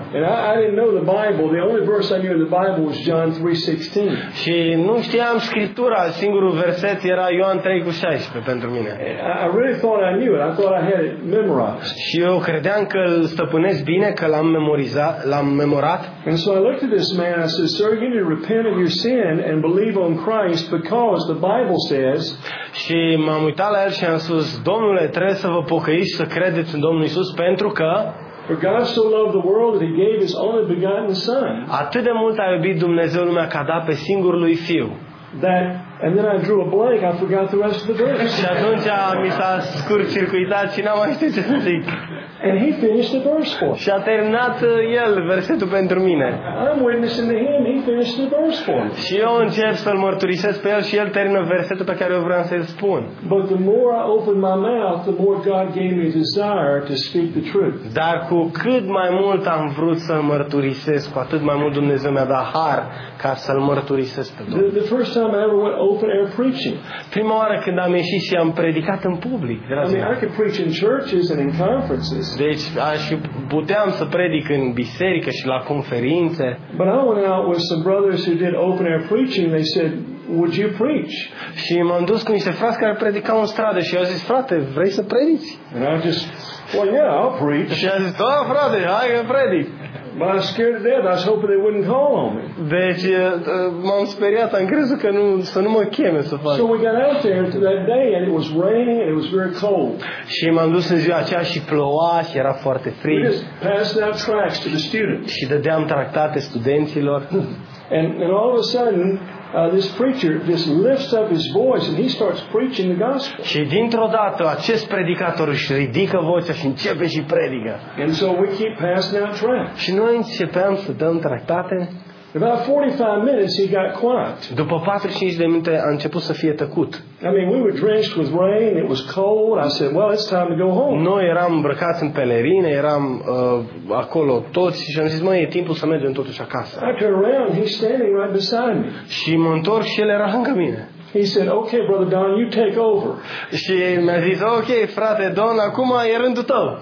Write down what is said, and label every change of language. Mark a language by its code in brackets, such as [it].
[en] And I didn't know the Bible. The only verse I knew in the Bible was John 3:16. [ro] Și nu știam Scriptura. Singurul verset era Ioan 3:16 pentru mine. [en] I really thought I knew it. I thought I had it memorized. [ro] Și eu credeam că îl stăpânesc bine, că l-am memorat. [en] And so I looked at this man. I said, "Sir, you need to repent of your sin and believe on Christ because the Bible says." [ro] Și m-am uitat la el și am spus, "Domnule, trebuie să vă pocăiți, să credeți în Domnul Iisus pentru că." [en] For God so loved the world that He gave His only begotten Son. [ro] Atât de mult a iubit Dumnezeu lumea că a dat pe singurul Lui Fiu. [en] That, and then I drew a blank. I forgot the rest of the verse. [ro] Și atunci mi s-a scurt-circuitat și n-am mai știut ce să zic. [en] And he finished the verse for me. [ro] Și a terminat el versetul pentru mine. [en] I'm witnessing to him. He finished the verse for me. [ro] Și eu încerc să-l mărturisesc pe el și el termină versetul pe care eu vreau să-l spun. [en] But the more I opened my mouth, the more God gave me desire to speak the truth. [ro] Dar cu cât mai mult am vrut să-l mărturisesc, cu atât mai mult Dumnezeu mi-a dat har ca să-l mărturisesc pe Domnul. [en] The first time I ever went open air preaching. [ro] Prima oară când am ieșit și am predicat în public. [en] I could preach in churches and in conferences. [ro] Deci aș puteam să predic în biserică și la conferințe. [en] But I went out with some brothers who did open air preaching. They said, "Would you preach?" [ro] Și m-am dus cu niște frați care predicau în stradă și au zis, "Frate, vrei să predici?" [en] And I just, "Well, yeah, I'll preach." [ro] Și a zis, "Da, frate, hai că predic." [en] But I was scared to death. I was hoping they wouldn't call on me. [ro] Deci m-am speriat, am crezut că să nu mă cheme să fac. [en] So we got out there that day and it was raining and it was very cold. [ro] Și m-am dus în ziua aceea și ploua și era foarte frig. [en] We just passed out tracts to the students. [ro] Și dădeam tractate studenților. [en] And all of a sudden, this preacher just lifts up his voice and he starts preaching the gospel. [ro] Și dintr-o dată acest predicator își ridică vocea și începe și predică. [en] And so we keep passing out tracts. [ro] Și noi începem să dăm tractate. [en] About 45 minutes he got quiet. [ro] După 45 de minute a început să fie tăcut. [en] I mean, we were drenched with rain, it was cold. I said, "Well, it's time to go home." [ro] Noi eram îmbrăcați în pelerine, eram acolo toți și am zis, "Măi, e timpul să mergem totuși acasă." [en] I turned around, he's standing right beside me. [ro] Și mă întorc și el era lângă mine. [en] He said, "Okay, brother Don, you take over." [ro] Și mi-a zis, "Okay, frate Don, acum e rândul tău."